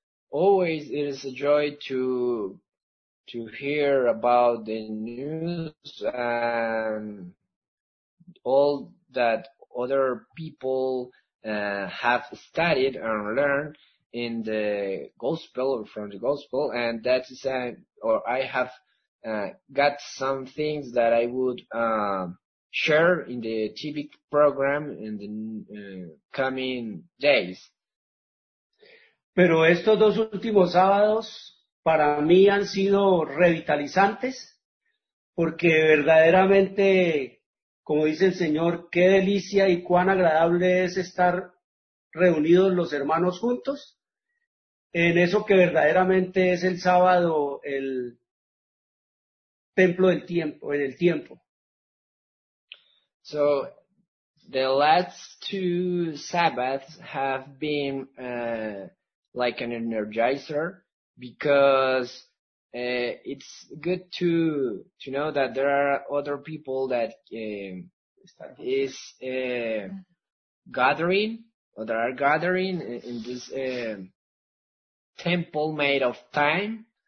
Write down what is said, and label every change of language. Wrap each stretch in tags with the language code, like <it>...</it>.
<en>Always it is a joy to hear about the news and all that other people have studied and learned in the gospel or from the gospel, and that is I have got some things that I would share in the TV program in the coming days.</en> <es>Pero estos dos últimos sábados para mí han sido revitalizantes, porque verdaderamente, como dice el Señor, qué delicia y cuán agradable es estar reunidos los hermanos juntos en eso que verdaderamente es el sábado, el templo del tiempo, en el tiempo.</es> <en>So, the last two Sabbaths have been like an energizer, because it's good to know that there are other people that is gathering, or that are gathering in this temple made of time.</en>